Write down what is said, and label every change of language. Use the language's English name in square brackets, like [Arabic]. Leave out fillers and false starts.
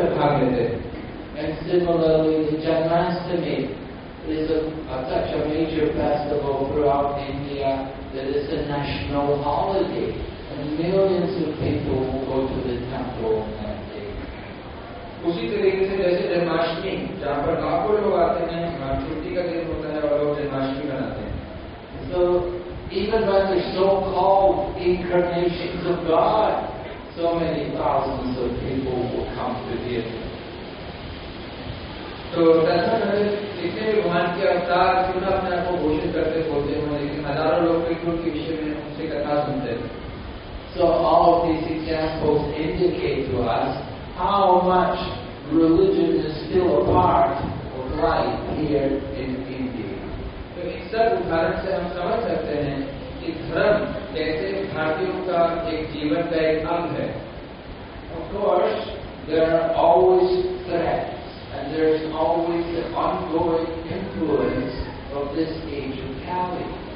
[English] Jamnastami is such a major festival throughout India, fact that it's a national holiday, and millions of people will go to the temple on that day. [Hindi] उसी तरीके से जैसे जन्माष्टमी जहाँ पर लाखों लोग आते हैं, हर छुट्टी का दिन होता है और लोग जन्माष्टमी मनाते हैं. [English] So even by the so-called incarnations of God, so many thousands of people will come to hear. [Hindi] तो ऐसा करें इतने भी भगवान के अवतार क्यों ना अपने आप को घोषित करते बोलते हैं, लेकिन हजारों लोग कृष्ण के विषय में उनसे कथा सुनते हैं. [English] So all of these examples indicate to us how much religion is still a part of life here in India. [Hindi] तो इस सब उदाहरण से हम समझ सकते हैं कि धर्म कैसे भारतीयों का एक जीवन का एक अंग है. [English] Of course, there are always threats. And there is always the ongoing influence of this age of Kali.